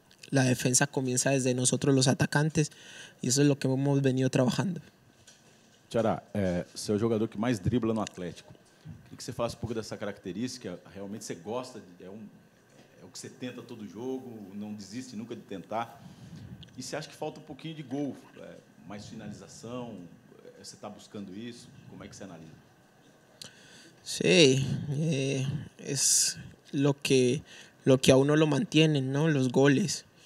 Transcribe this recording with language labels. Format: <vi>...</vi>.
<es>La defensa comienza desde nosotros, los atacantes, y eso es lo que hemos venido trabajando.</es> <pt>Xará, você é o jogador que mais dribla no Atlético. Queria que você falasse um pouco dessa característica. Realmente você gosta, é o que você tenta todo jogo, não desiste nunca de tentar. E você acha que falta um pouquinho de gol, mais finalização? Você está buscando isso? Como é que você analisa?</pt> <es>Sí, es lo que a uno lo mantiene, ¿no? Los goles.</es>